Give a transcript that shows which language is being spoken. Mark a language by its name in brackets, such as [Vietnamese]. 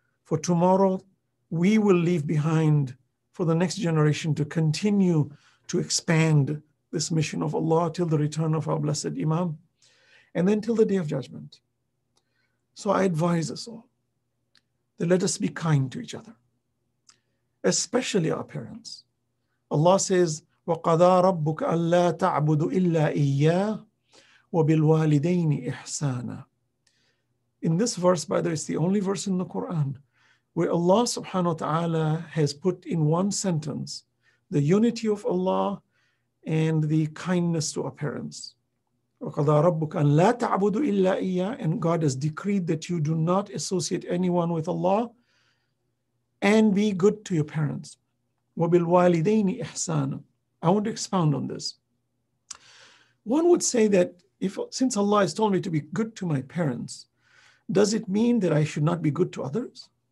[English] For tomorrow, we will leave behind for the next generation to continue to expand this mission of Allah till the return of our blessed Imam, and then till the Day of Judgment. So I advise us all that let us be kind to each other, especially our parents. Allah says, [Arabic] وقضى ربك ألا تعبد إلا إياه وبالوالدين إحسانا. [English] In this verse, by the way, it's the only verse in the Quran where Allah subhanahu wa ta'ala has put in one sentence the unity of Allah and the kindness to our parents. [Arabic] وَقَضَى رَبُّكَ أَنْ لَا تَعْبُدُ إِلَّا إِيَّا. [English] And God has decreed that you do not associate anyone with Allah, and be good to your parents. [Arabic] وَبِالْوَالِدَيْنِ إِحْسَانًا. [English] I want to expound on this. One would say that since Allah has told me to be good to my parents, does it mean that I should not be good to others?